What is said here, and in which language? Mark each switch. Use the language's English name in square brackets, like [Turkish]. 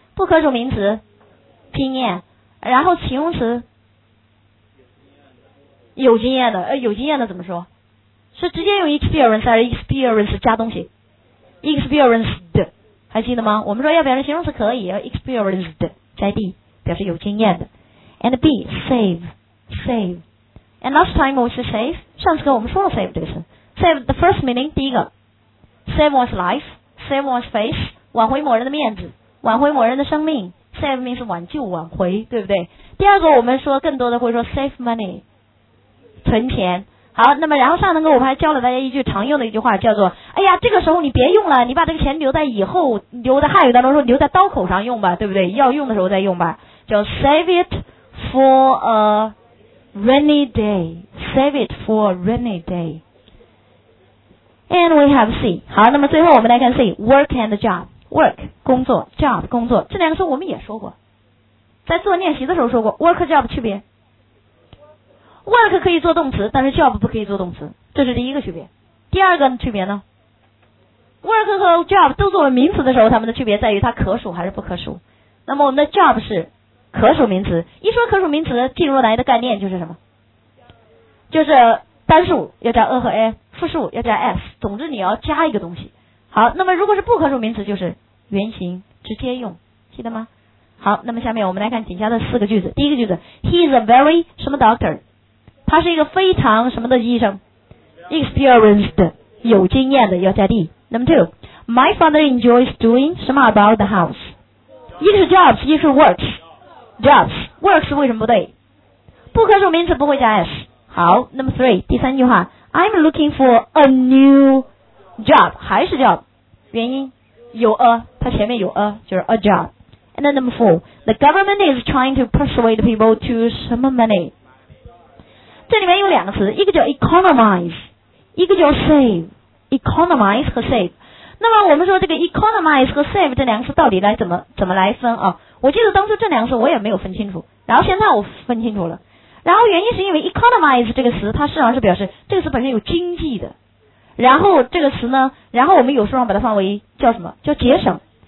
[Chinese] 不可数名词经验，然后形容词有经验的，有经验的怎么说？是直接用 experience 还是 experience 加东西？experienced 还记得吗？我们说要表示形容词可以 experienced 加 d 表示有经验的。 [English] and b save save. And last time when we say save, [Chinese] 上次跟我们说了 [English] save 这个词。 Save the first meaning, [Chinese] 第一个。 [English] Save one's life, save one's face, [Chinese] 挽回某人的面子，挽回某人的生命。 Save means 挽救挽回，对不对？第二个我们说更多的会说 [English] save money, [Chinese] 存钱。好，那么然后上堂课我们还教了大家一句常用的一句话，叫做哎呀这个时候你别用了，你把这个钱留在以后，留在汉语当中说留在刀口上用吧，对不对？要用的时候再用吧，叫 [English] save it for a rainy day, save it for a rainy day. And we have C. [Chinese] 好，那么最后我们来看 C, work and job. Work, 工作， job, 工作。这两个词我们也说过，在做练习的时候说过 work job 区别。 Work 可以做动词，但是 job 不可以做动词，这是第一个区别。第二个区别呢， work 和 job 都作为名词的时候，它们的区别在于它可数还是不可数。那么我们的 job 是可数名词，一说可数名词进入来的概念就是什么，就是单数要加 a 和 a, 复数要加 s, 总之你要加一个东西。好，那么如果是不可数名词就是原形直接用，记得吗？好，那么下面我们来看底下的四个句子。第一个句子， [English] He is a very [Chinese] 什么 doctor,他是一个非常什么的医生， experienced, 有经验的，要加 D。 [English] Number two, My father enjoys doing 什么 about the house, 一个是 jobs, 一个是 works, jobs, works [Chinese] 为什么不对，不可数名词不会加 [English] S。好， Number three, [Chinese] 第三句话， [English] I'm looking for a new job, 还是 job, [Chinese] 原因有 [English] a, [Chinese] 它前面有 [English] a, 就是 a job。 And then number four, The government is trying to persuade people to 什么 money, [Chinese] 这里面有两个词，一个叫 [English] economize, 一个叫 save, economize 和 save。 [Chinese] 那么我们说这个 economize 和 save 这两个词到底来怎么来分啊？我记得当初这两个词我也没有分清楚，然后现在我分清楚了。然后原因是因为 economize 这个词它实际上是表示这个词本身有经济的，然后这个词呢，然后我们有时候把它放为叫什么，叫节省。